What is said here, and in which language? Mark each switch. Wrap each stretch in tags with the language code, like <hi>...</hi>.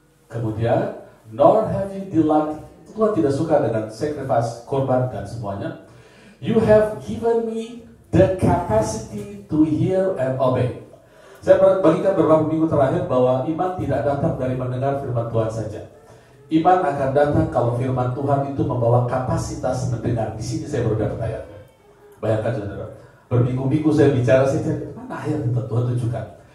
<id>Kemudian,</id> <en>nor have you delight.</en> <id>Tuhan tidak suka dengan sacrifice, korban dan semuanya.</id> <en>You have given me the capacity to hear and obey.</en> <id>Saya bagikan beberapa minggu terakhir bahwa iman tidak datang dari mendengar firman Tuhan saja. Iman akan datang kalau firman Tuhan itu membawa kapasitas mendengar. Di sini saya baru dapat ayat. Bayangkan saudara, berminggu-minggu saya bicara, saya cari, mana ayat itu Tuhan tunjukkan.</id>